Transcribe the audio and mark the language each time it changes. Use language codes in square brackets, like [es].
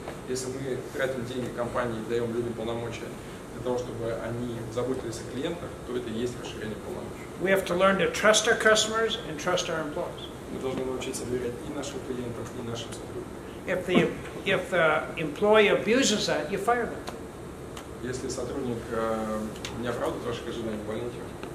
[ru] Если мы тратим деньги компании, даем людям полномочия для того, чтобы они заботились о клиентах, то это и есть расширение полномочий. [en] We have to learn to trust our customers and trust our employees. [ru] Мы должны научиться доверять и нашим клиентам, и нашим сотрудникам. [en] If the employee abuses that, you fire them. [ru] Если сотрудник не оправдывает ваших ожиданий, увольните его.